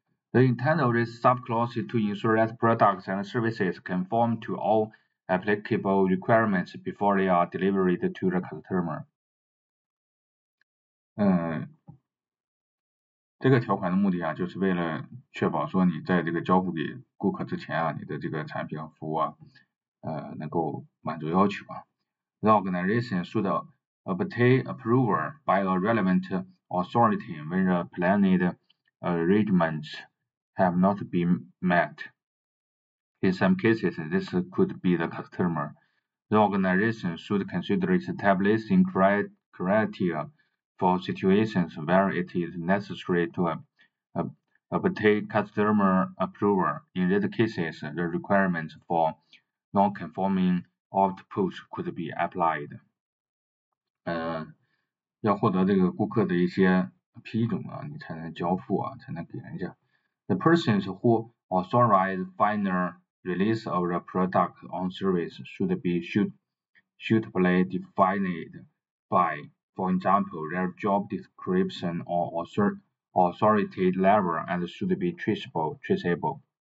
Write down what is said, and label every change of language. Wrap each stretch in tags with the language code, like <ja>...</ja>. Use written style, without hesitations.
<en>The intent of this subclause is to ensure that products and services conform to all applicable requirements before they are delivered to the customer。</en> <zh>这个条款的目的啊，就是为了确保说你在这个交付给顾客之前啊，你的这个产品和服务啊，能够满足要求啊。</zh> <en>The organization should obtain approval by a relevant authority when the planned arrangements have not been met. In some cases, this could be the customer. The organization should consider establishing criteria for situations where it is necessary to obtain customer approval. In these cases, the requirements for non-conforming outputs could be applied.</en> <zh>要获得这个顾客的一些批准啊，你才能交付啊，才能给人家。</zh> <en>The persons who authorize final release of the product on service should be suitably defined by, for example, their job description or authority level and should be traceable.</en>